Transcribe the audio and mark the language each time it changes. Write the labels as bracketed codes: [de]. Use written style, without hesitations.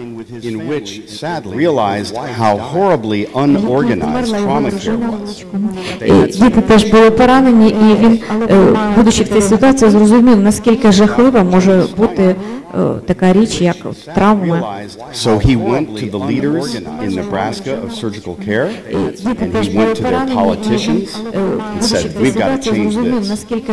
[en] in which, sadly, realized how horribly unorganized trauma care was. [uk] Діти теж були поранені, і він, будучи в цій ситуації, зрозумів, наскільки жахлива може бути така річ, як травма. [en] So he went to the leaders in Nebraska of surgical care, and he went to their politicians and said, we've got to change this.